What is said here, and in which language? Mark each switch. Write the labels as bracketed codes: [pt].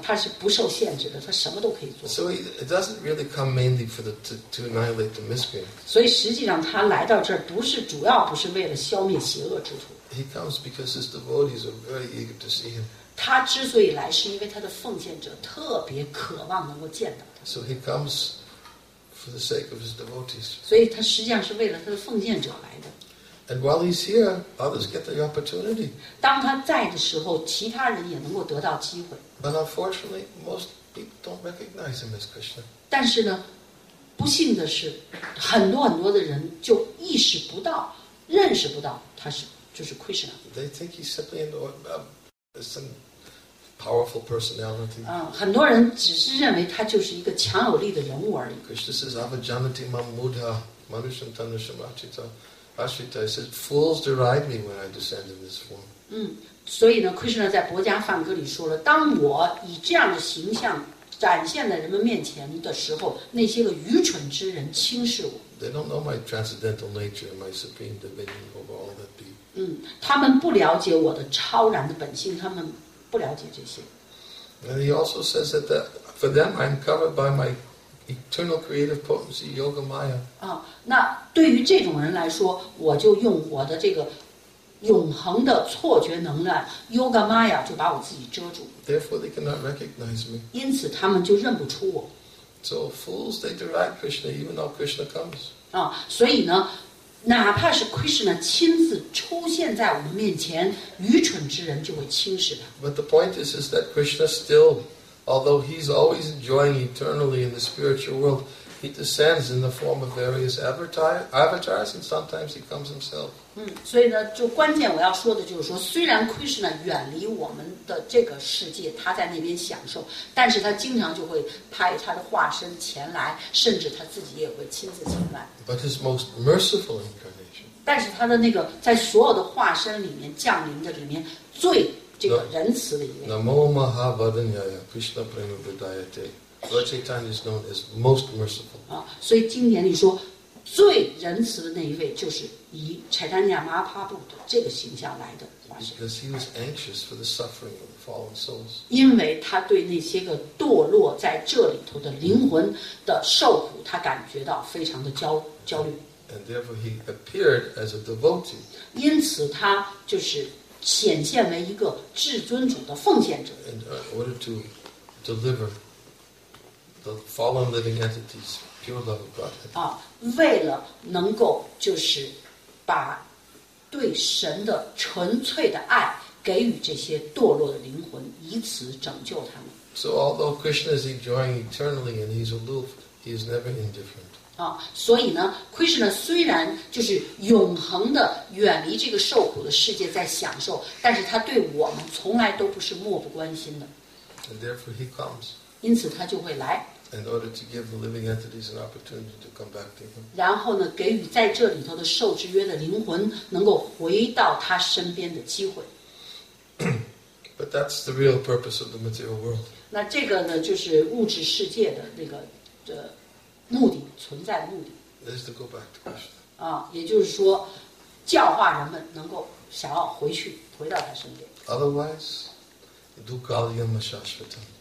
[zh] 他是不受限制的，他什么都可以做。 [en] So it doesn't really come mainly for the to annihilate the miscreant. [zh] 所以实际上他来到这儿不是主要不是为了消灭邪恶之徒。 [en] He comes because his devotees are very eager to see him. [zh] 他之所以来，是因为他的奉献者特别渴望能够见到他。 [en] So he comes for the sake of his devotees. [zh] 所以他实际上是为了他的奉献者来的。 [en] And while he's here, others get the opportunity. [zh] 当他在的时候，其他人也能够得到机会。 [en] But unfortunately, most people don't recognize him as Krishna. [zh] 但是呢，不幸的是，很多很多的人就意识不到、认识不到他是就是 Krishna. [en] They think he's simply some powerful personality. [zh] 很多人只是认为他就是一个强有力的人物而已。 [en] Krishna says, [sa] "Avajanati mamudha manushan tanushamachita." [en] Ashita says, "Fools deride me when I descend in this form." [zh] 所以呢 ，Krishna 在《薄伽梵歌》里说了，当我以这样的形象展现在人们面前的时候，那些个愚蠢之人轻视我。 [en] They don't know my transcendental nature, my supreme dominion over all that be. [zh] 他们不了解我的超然的本性，他们不了解这些。 [en] And he also says that for them, I'm covered by my eternal creative potency, yoga maya. [zh] 那对于这种人来说，我就用我的这个永恒的错觉能量 yoga maya 就把我自己遮住。 [en] Therefore, they cannot recognize me. [zh] 因此，他们就认不出我。 [en] So fools, they deride Krishna, even though Krishna comes. [zh] 所以呢，哪怕是 Krishna 亲自出现在我们面前，愚蠢之人就会轻视他。 [en] But the point is that Krishna still. Although he's always enjoying eternally in the spiritual world, he descends in the form of various avatars, and sometimes he comes himself. [zh] 所以呢，就关键我要说的就是说，虽然 Krishna 远离我们的这个世界，他在那边享受，但是他经常就会派他的化身前来，甚至他自己也会亲自前来。 [en] But his most merciful incarnation. [zh] 但是他的那个在所有的化身里面降临的里面最。 [sa] Namo Mahavadanyaya Krishna Prema Vidayate [en] Lord Chaitanya is known as most merciful. [zh] 所以经典里说最仁慈的那一位就是以 Chaitanya Mahaprabhu 的这个形象来的。 [en] Because he was anxious for the suffering of the fallen souls. [zh] 因为他对那些个堕落在这里头的灵魂的受苦他感觉到非常的焦虑。 [en] And therefore he appeared as a devotee. [zh] 因此他就是显现为一个至尊主的奉献者。 [en] In order to deliver the fallen living entities, pure love of Godhead. [zh] 为了能够就是把对神的纯粹的爱给予这些堕落的灵魂，以此拯救他们。 [en] So although Krishna is enjoying eternally and he's aloof, he is never indifferent. [zh] 所以呢 ，Krishna 虽然就是永恒的远离这个受苦的世界在享受，但是他对我们从来都不是漠不关心的。 [en] And therefore he comes. [zh] 因此他就会来。 [en] In order to give the living entities an opportunity to come back to him. [zh] 然后呢，给予在这里头的受制约的灵魂能够回到他身边的机会。 [en] But that's the real purpose of the material world. [zh] 那这个呢，就是物质世界的那个的。目的存在的目的。 [en] That is to go back to Krishna. [zh] 也就是说，教化人们能够想要回去，回到他身边。 [en] Otherwise, [sa] dukkhaliyam ashashvatam.